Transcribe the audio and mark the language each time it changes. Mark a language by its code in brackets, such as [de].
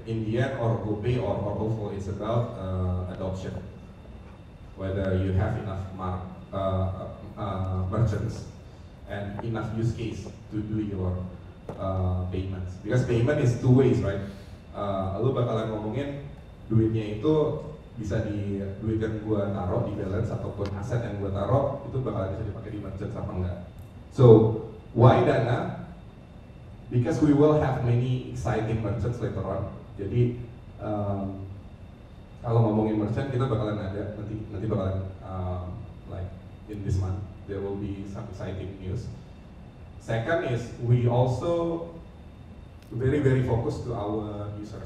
[en] In the end, or GoPay or OVO, it's about adoption. Whether you have enough merchants and enough use case to do your payments. Because payment is two ways, right? [id] Lu bakalan ngomongin duitnya itu bisa di duit yang gua taruh di balance ataupun aset yang gua taruh itu bakal bisa dipakai di merchant apa enggak. [en] So why DANA? Because we will have many exciting merchants later on. [id] Jadi kalau ngomongin merchant kita bakalan ada nanti bakalan [en] like in this month there will be some exciting news. Second is we also very very focused to our user.